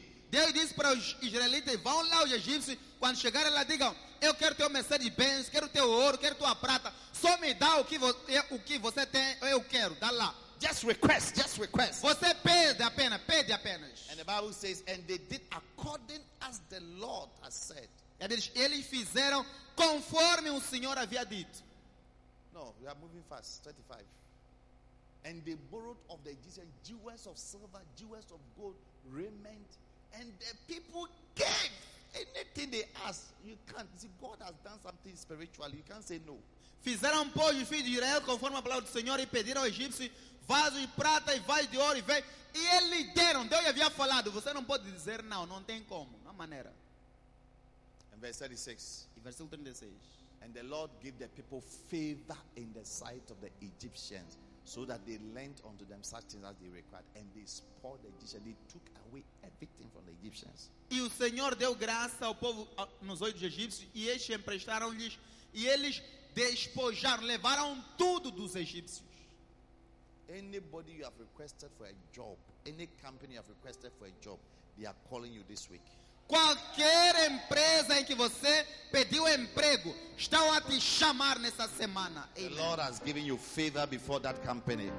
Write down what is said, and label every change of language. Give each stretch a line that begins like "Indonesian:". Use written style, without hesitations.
Portuguese: Deus disse para os israelitas, vão lá os egípcios. Quando chegarem lá, digam, eu quero teu Mercedes Benz, quero teu ouro, quero tua prata. Só me dá o que você tem, eu quero, dá lá.
English: Just request.
Portuguese: Você pede apenas, pede apenas.
English: And the Bible says, and they did according as the Lord has said.
Portuguese: E eles, fizeram conforme o Senhor havia dito.
English: No, we are moving fast. 35. And they borrowed of the Egyptians jewels of silver, jewels of gold, raiment, and the people gave anything they asked. You can't. You see, God has done something spiritually. You can't say no.
Portuguese: Fizeram pôr os filhos de Israel conforme a palavra do Senhor e pediram ao egípcio vaso de prata e vaso de ouro e veio. E eles deram. Deus havia falado. Você não pode dizer não. Não tem como. Não há maneira. Em verse 36. E versículo 36.
English: And the Lord gave the people favor in the sight of the Egyptians, so that they lent unto them such things as they required. And they spoiled the Egyptians. They took away everything from the Egyptians.
Portuguese: E o Senhor deu graça ao povo nos olhos dos egípcios e estes emprestaram-lhes. E eles despojaram, levaram tudo dos egípcios.
English: Anybody you have requested for a job, any company you have requested for a job, they are calling you this week.
Portuguese: Qualquer empresa em que você pediu emprego, estão a te chamar nessa semana.
English: The Lord has given you favor before that company.